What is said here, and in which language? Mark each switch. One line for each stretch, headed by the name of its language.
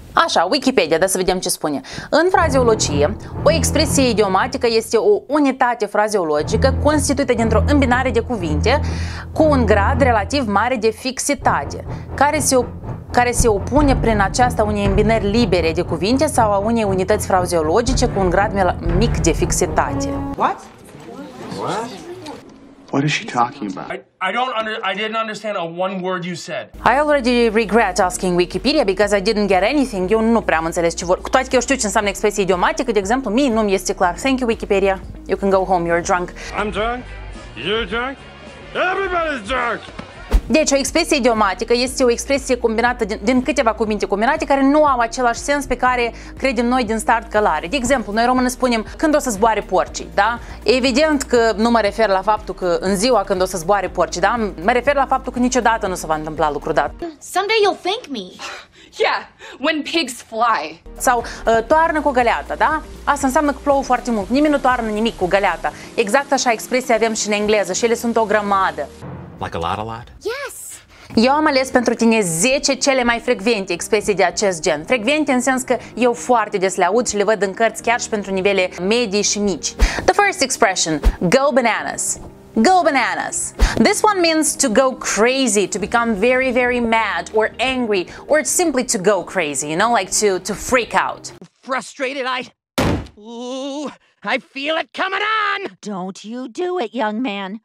Romanian: Așa, Wikipedia, da, să vedem ce spune. În frazeologie, o expresie idiomatică este o unitate frazeologică constituită dintr-o îmbinare de cuvinte cu un grad relativ mare de fixitate, care se opune prin aceasta unei îmbinări libere de cuvinte sau a unei unități frazeologice cu un grad mic de fixitate.
English: What? What? What is she talking about? I didn't understand a one word you said. I already regret asking Wikipedia because I didn't get anything.
Romanian: Eu nu prea am înțeles ce vor. Cu toate că eu știu ce înseamnă expresie idiomatică, de exemplu, mie nu-mi este clar.
English: Thank you, Wikipedia. You can go home, you're drunk. I'm drunk? You're drunk? Everybody's drunk!
Romanian: Deci, o expresie idiomatică este o expresie combinată din câteva cuvinte combinate care nu au același sens pe care credem noi din start că l-are. De exemplu, noi românii spunem când o să zboare porcii, da? Evident că nu mă refer la faptul că în ziua când o să zboare porcii, da? Mă refer la faptul că niciodată nu se va întâmpla lucru dat.
English: Someday you'll thank me. Yeah, when pigs fly.
Romanian: Sau toarnă cu găleata, da? Asta înseamnă că plouă foarte mult. Nimeni nu toarnă nimic cu găleata. Exact așa expresie avem și în engleză și ele sunt o grămadă.
English: Like a lot? Yes!
Romanian: Eu am ales pentru tine 10 cele mai frecvente expresii de acest gen. Frecvente în sens că eu foarte des le aud și le văd în cărți chiar și pentru nivele medii și mici.
English: The first expression, go bananas. Go bananas. This one means to go crazy, to become very, very mad or angry, or simply to go crazy, you know, like to freak out. Frustrated, I feel it coming on! Don't you do it, young man.